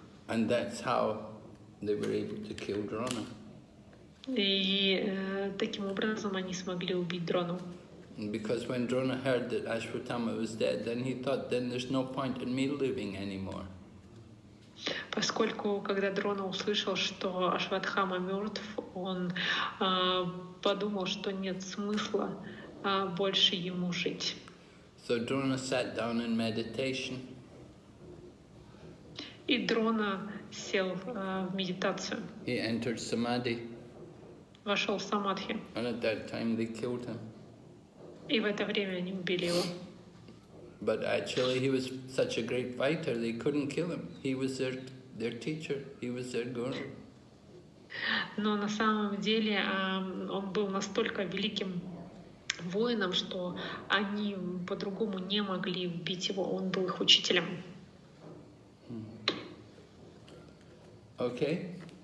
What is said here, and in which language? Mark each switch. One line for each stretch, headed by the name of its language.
English: And that's how they were able to kill Drona.
Russian: И таким образом они смогли убить Дрону.
English: Because when Drona heard that Ashwatthama was dead, then he thought, then there's no point in me living anymore.
Russian: Поскольку когда Дрона услышал, что Ашватхама мертв, он подумал, что нет смысла больше ему жить.
English: So Drona sat down in meditation.
Russian: И Дрона сел в медитацию.
English: He entered samadhi.
Russian: Вошел в самадхи.
English: And at that time they killed him.
Russian: И в это время они убили его.
English: But actually, he was such a great fighter, they couldn't kill him. He was their teacher, he was their guru.
Russian: Но на самом деле он был настолько великим воином, что они по-другому не могли убить его. Он был их учителем.
English: Okay.